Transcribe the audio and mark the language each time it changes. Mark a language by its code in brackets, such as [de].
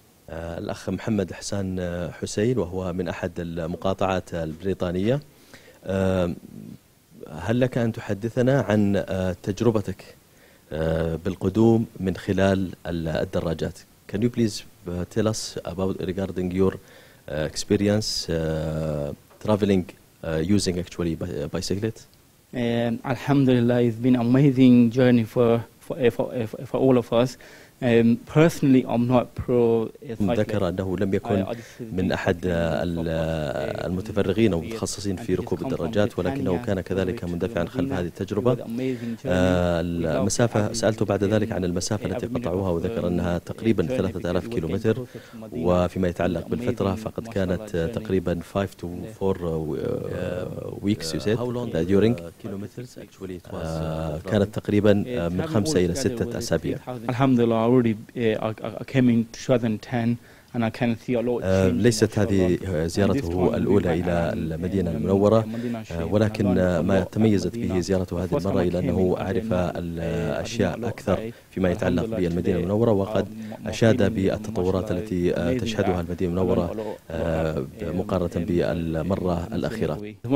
[ar] الأخ محمد حسان حسين وهو من أحد المقاطعات البريطانية، هل لك أن تحدثنا عن تجربتك بالقدوم من خلال الدراجات؟ [en] Can you please tell us about regarding your experience traveling using actually bicyclet? Alhamdulillah, it's been amazing journey for all of us. Personally, I'm not pro. [ar] ذكر أنه لم يكن من أحد المتفرغين أو المتخصصين في ركوب الدراجات، ولكنه كان كذلك مندفعا خلف هذه التجربة. المسافة سألته بعد ذلك عن المسافة التي قطعوها، وذكر أنها تقريبا 3000 كيلومتر، وفيما يتعلق بالفترة فقد كانت تقريبا [en] 5 to 4 weeks. You said that during kilometers actually it was [ar] كانت تقريبا من 5 إلى 6 أسابيع. الحمد لله. [en] I came in 2010 and I can see a lot. [ar] ليست هذه زيارته الأولى إلى المدينة المنورة، ولكن ما تميزت به زيارته هذه المرة إلى أنه عرف الأشياء أكثر فيما يتعلق بالمدينة المنورة، وقد أشاد بالتطورات التي تشهدها المدينة المنورة مقارنة بالمرة الأخيرة.